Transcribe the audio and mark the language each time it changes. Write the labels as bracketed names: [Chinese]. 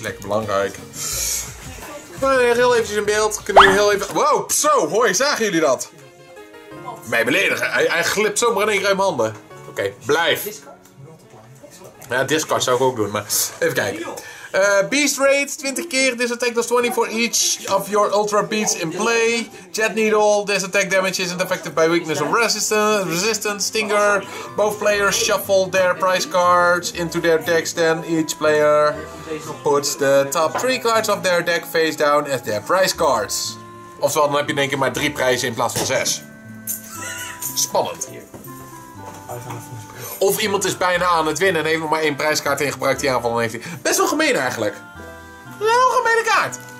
[Dutch] Lekker belangrijk. Maar heel even in beeld. Kunnen jullie heel even... Wow, zo, hoi, zagen jullie dat? Mij beledigen. Hij glipt zomaar in één keer uit mijn handen. Oké, blijf. Ja, discard zou ik ook doen, maar even kijken. Beast Raid, 20 keer. [English] This attack does 20 for each of your Ultra Beats in play. Jet Needle, this attack damage isn't affected by weakness or resistance. Stinger, both players shuffle their prize cards into their decks. Then each player puts the top 3 cards of their deck face down as their prize cards. [Dutch] Ofwel, dan heb je denk ik maar 3 prijzen in plaats van 6. Spannend. Of iemand is bijna aan het winnen en heeft nog maar 1 prijskaart in gebruikt die aanval dan heeft hij. Best wel gemeen eigenlijk. Heel gemene kaart.